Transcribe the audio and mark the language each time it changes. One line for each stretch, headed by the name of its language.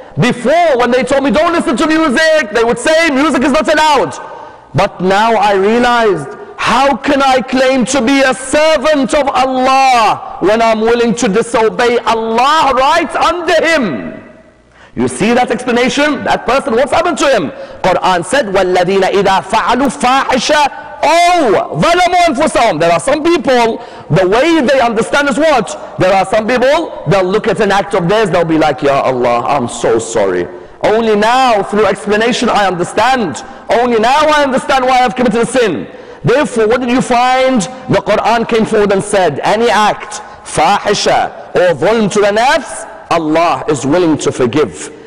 English: Before, when they told me, don't listen to music, they would say, music is not allowed. But now I realized, How can I claim to be a servant of Allah when I'm willing to disobey Allah right under him? You see that explanation? That person, what's happened to him?
Arabic: Quran said, وَالَّذِينَ إِذَا فَعَلُوا فَاحِشَةً أَوْ ظَلَمُوا أَنفُسَهُمْ.
English: There are some people, the way they understand is what? There are some people, they'll look at an act of theirs, they'll be like, Ya Allah, I'm so sorry. Only now, through explanation, I understand. Only now I understand why I've committed a sin. Therefore, what did you find? The Quran came forward and said, any act, fahisha, or ظلم to the nafs, Allah is willing to forgive.